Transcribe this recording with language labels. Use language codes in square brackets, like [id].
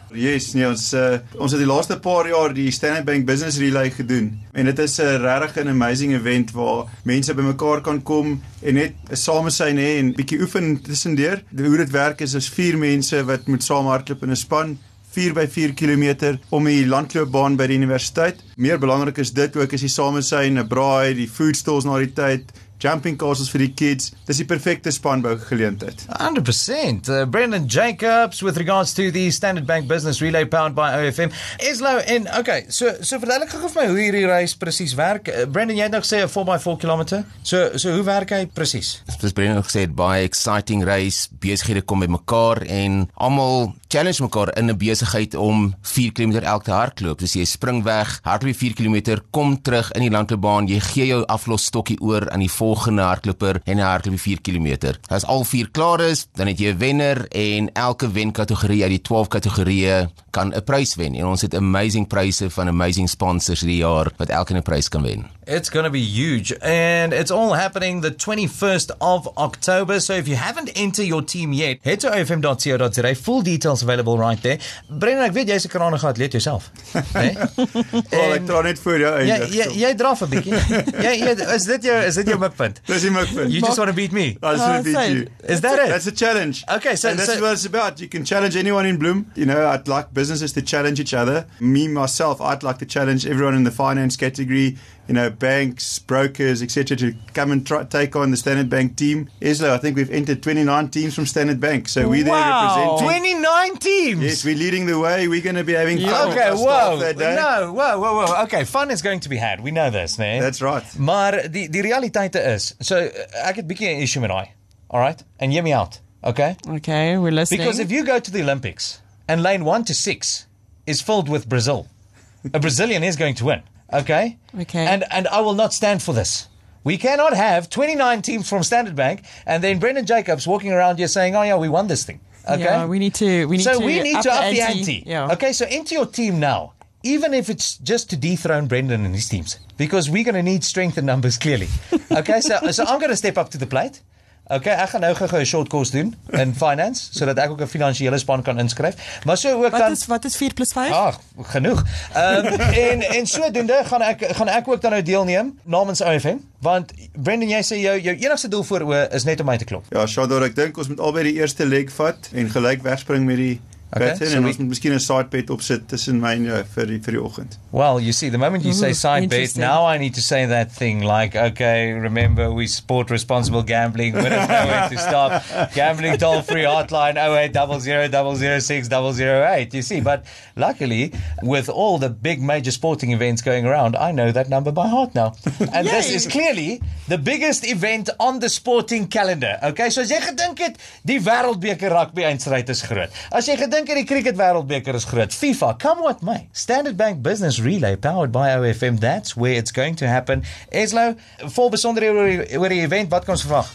[af] Yes, nee, ons het die laaste paar jaar die Standard Bank Business Relay gedoen en dit is 'n regtig 'n amazing event waar mense by mekaar kan kom en net same sy nê en bietjie oefen tussendeur. Hoe dit werk is as vier mense wat moet saam hardloop in 'n span 4 by 4 kilometer om die landloopbaan by die universiteit. Meer belangrik is dit ook as jy same sy en 'n braai, die food stalls na die tyd. [en] Jumping courses for the kids. This is the perfect [af] spanbou geleentheid. [en] 100%. Brendan Jacobs with regards to the Standard Bank Business Relay powered by OFM. [af] Islo, [en] and okay, so [af] verduidelik gou vir my hoe hierdie race presies werk. Brendan, jy het nog gesê 'n 4x4 kilometer. So hoe werk hy presies? Soos Brendan gesê het, baie exciting race. Besighede kom by mekaar en almal challenge mekaar in 'n besigheid om 4 kilometer elk te hardloop. Dus jy spring weg, hardloop 4 kilometer, kom terug in die landloopbaan, jy gee jou aflosstokkie oor aan die volgende hardloper en hy hardloop 4 kilometer. As al 4 klaar is, dan het jy 'n wenner en elke wenkategorie uit die 12 kategorieë kan 'n prys wen. En ons het amazing pryse van amazing sponsors hierdie jaar wat elkeen 'n prys kan wen. [en] It's going to be huge and it's all happening the 21st of October. So if you haven't entered your team yet, head to ofm.co.za. Full details available right there. [af] Brendan, ek weet jy's 'n krangige atleet jouself. [en] Hey? Well, [af] ek dra net voor jou eintlik. Jy draf 'n bietjie. Is dit jou mikpunt? Dis die mikpunt. [en] You just want to beat me. I want to beat you. Is that it? That's a challenge. Okay, so and that's what it's about. You can challenge anyone in Bloom. You know, I'd like businesses to challenge each other. Me, myself, I'd like to challenge everyone in the finance category. You know, banks, brokers, etc. to come and take on the Standard Bank team. Islo, I think we've entered 29 teams from Standard Bank. So we're there representing. 29 teams? Yes, we're leading the way. We're going to be having fun. Okay, with whoa. Okay, fun is going to be had. We know this, man. That's right. [af] Maar die realiteit is, so ek het bietjie 'n issue met hy. [en] All right? And hear me out. Okay? Okay, we're listening. Because if you go to the Olympics and lane 1 to 6 is filled with Brazil, a Brazilian is going to win. Okay? Okay. And I will not stand for this. We cannot have 29 teams from Standard Bank and then Brendan Jacobs walking around here saying, "Oh yeah, we won this thing." Okay? Yeah, we need to up the ante. Yeah. Okay, so enter your team now. Even if it's just to dethrone Brendan and his teams. Because we're going to need strength in numbers, clearly. Okay, so I'm going to step up to the plate. [af] Okay, ek gaan nou gou-gou 'n short course doen in finance sodat ek ook 'n finansiële span kan inskryf. Maar so ook dan Wat is 4 plus 5? Ag, genoeg. en sodoende gaan ek ook dan nou deelneem namens OFM, want Brendan, jy sê jou enigste doel vooroe is net om my te klop. Ja, Shandor, ek dink ons moet albei die eerste leg vat en gelyk wegspring met die [en] Okay, so [af] we miskien 'n side bet opsit tussen my en jou vir die oggend. [en] Well, you see, the moment you say side bet, now I need to say that thing like, okay, remember we support responsible gambling. When is now to stop? Gambling toll free hotline 0800006008. You see, but luckily, with all the big major sporting events going around, I know that number by heart now. And this is clearly the biggest event on the sporting calendar. Okay, so [af] as jy gedink het, die wêreldbeker rugby eindstryd is groot. As jy dink die cricket wêreldbeker is groot. [en] FIFA, come what may. Standard Bank Business Relay powered by OFM, that's where it's going to happen. [af] Eslo, vol besonder oor die event, wat kan ons verwag?